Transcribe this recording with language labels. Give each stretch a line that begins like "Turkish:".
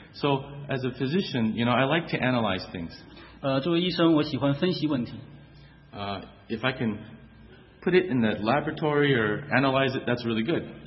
English: So as a physician, you know, I like to analyze things.
Chinese: 作为医生，我喜欢分析问题.
English: If I can put it in the laboratory or analyze it, that's really good.